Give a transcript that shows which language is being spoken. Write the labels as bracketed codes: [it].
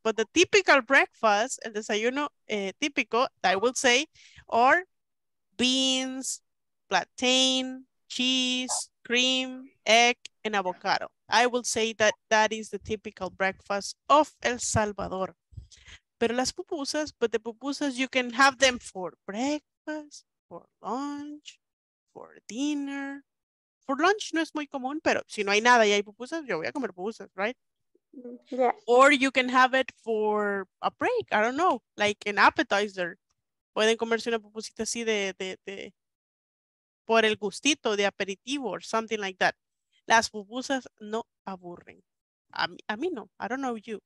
[en] But the typical breakfast, [es] el desayuno típico, [en] I would say, are beans, plantain, cheese, cream, egg, and avocado. I would say that that is the typical breakfast of El Salvador. [es] Pero las pupusas, [en] but the pupusas, you can have them for breakfast, for lunch, for dinner. For lunch [es] no es muy común, pero si no hay nada y hay pupusas, yo voy a comer pupusas, [en] right? Yeah. Or you can have it for a break, I don't know, like an appetizer. [es] Pueden comerse una pupusita así de por el gustito de aperitivo [en] or something like that. [es] Las pupusas no aburren. A mí no. [en] I don't know you.